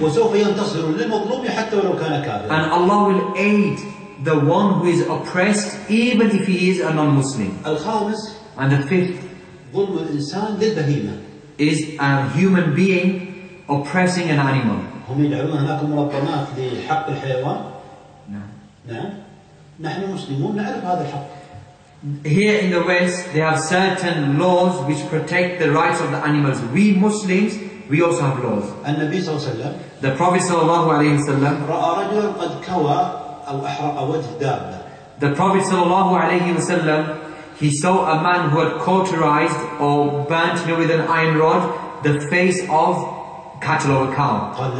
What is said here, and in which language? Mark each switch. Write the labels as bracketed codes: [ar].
[ar] وسوف ينتصر للمظلوم حتى ولو كان كافر. [en] And Allah will aid the one who is oppressed, even if he is a non-Muslim. [ar] الخامس. [en] And the fifth. [ar] ظلم الإنسان للبهيمة. [en] Is a human being oppressing an animal. [ar] هم يدعون هناك مرطمات لحق الحيوان. نعم. نحن مسلمون نعرف هذا الحق. [en] Here in the West, there are certain laws which protect the rights of the animals. We Muslims, we also have laws. [ar] النبي صلى الله عليه وسلم. [en] The Prophet [ar] صلى الله عليه وسلم. رأى رجل قد كوى أو أحرق وجه دابة. [en] The Prophet [ar] صلى الله عليه وسلم. [en] He saw a man who had cauterized or burnt with an iron rod the face of cattle or a cow.